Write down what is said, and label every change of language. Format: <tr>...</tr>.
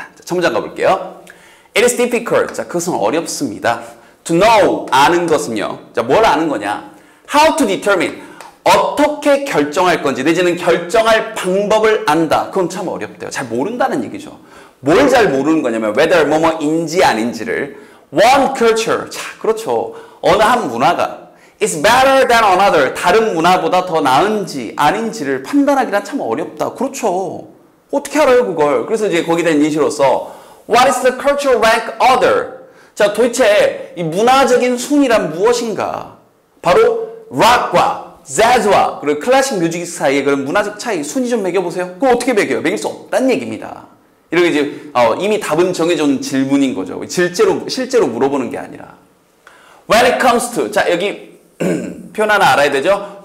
<ko>자, 첫 문장 가볼게요.</ko> <en>It is difficult.</en> <ko>자, 그것은 어렵습니다.</ko> <en>To know,</en> <ko>아는 것은요. 자, 뭘 아는 거냐?</ko> <en>How to determine.</en> <ko>어떻게 결정할 건지 내지는 결정할 방법을 안다. 그건 참 어렵대요. 잘 모른다는 얘기죠. 뭘 잘 모르는 거냐면 whether 뭐뭐인지 아닌지를.</ko> <en>One culture.</en> <ko>자, 그렇죠. 어느 한 문화가</ko> <en>is better than another.</en> <ko>다른 문화보다 더 나은지 아닌지를 판단하기란 참 어렵다. 그렇죠. 어떻게 알아요 그걸. 그래서 이제 거기에 대한 예시로서</ko> <en>what is the cultural rank other.</en> <ko>자, 도대체 이 문화적인 순위란 무엇인가. 바로 rock과 재즈와 그리고 클래식 뮤직 사이의 그런 문화적 차이, 순위 좀 매겨보세요. 그거 어떻게 매겨요? 매길 수 없다는 얘기입니다. 이렇게 이제 이미 답은 정해진 질문인 거죠. 실제로 물어보는 게 아니라.</ko> <en>When it comes to,</en> <ko>자 여기 표현 하나 알아야 되죠?</ko>